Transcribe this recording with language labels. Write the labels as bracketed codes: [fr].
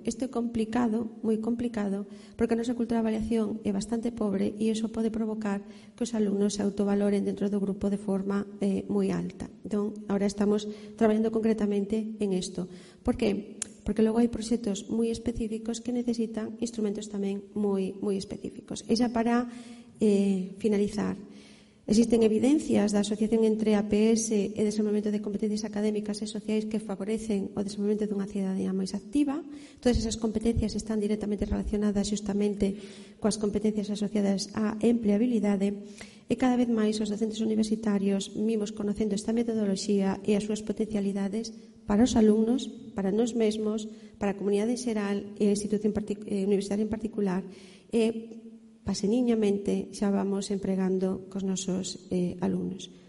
[gl] Isto é complicado, moi complicado, porque a nosa cultura de avaliación é bastante pobre e iso pode provocar que os alumnos se autovaloren dentro do grupo de forma moi alta. Entón, agora estamos traballando concretamente en isto. Por que? Porque logo hai proxectos moi específicos que necesitan instrumentos tamén moi, moi específicos. E xa para finalizar, [es] Existen evidencias de asociación entre APS y desarrollo de competencias académicas y sociales que favorecen o desarrollo de una ciudadanía más activa. Todas esas competencias están directamente relacionadas justamente con las competencias asociadas a empleabilidad. [gl] E cada vez máis os docentes universitarios vimos conocendo esta metodoloxía e as súas potencialidades para os alumnos, para nós mesmos, para a comunidade en xeral e a institución universitaria en particular, e paseniñamente xa vamos empregando cos nosos alumnos.